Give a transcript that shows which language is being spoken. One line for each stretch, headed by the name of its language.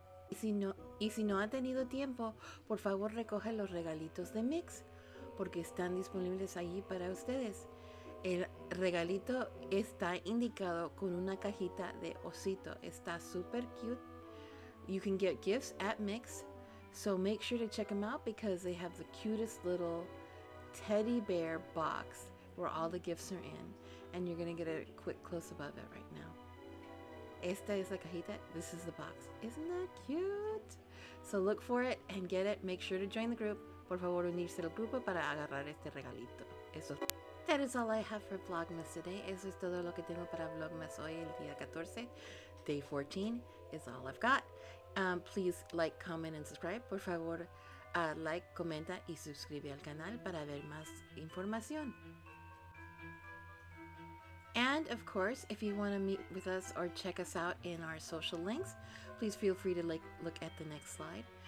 Spanish: Y si no ha tenido tiempo, por favor recoja los regalitos de Mix, porque están disponibles allí para ustedes. El regalito está indicado con una cajita de osito. Está super cute.
English: You can get gifts at Mix, so make sure to check them out because they have the cutest little teddy bear box where all the gifts are in. And you're gonna get a quick close-up of it right now.
Spanish: Esta es la cajita.
English: This is the box. Isn't that cute? So look for it and get it. Make sure to join the group.
Spanish: Por favor, unirse al grupo para agarrar este regalito. Eso.
English: That is all I have for Vlogmas today.
Spanish: Eso es todo lo que tengo para Vlogmas hoy, el día 14.
English: Day 14 is all I've got. Please like, comment, and subscribe.
Spanish: Por favor, like, comenta, y suscribe al canal para ver más información.
English: And of course, if you want to meet with us or check us out in our social links, please feel free to like look at the next slide.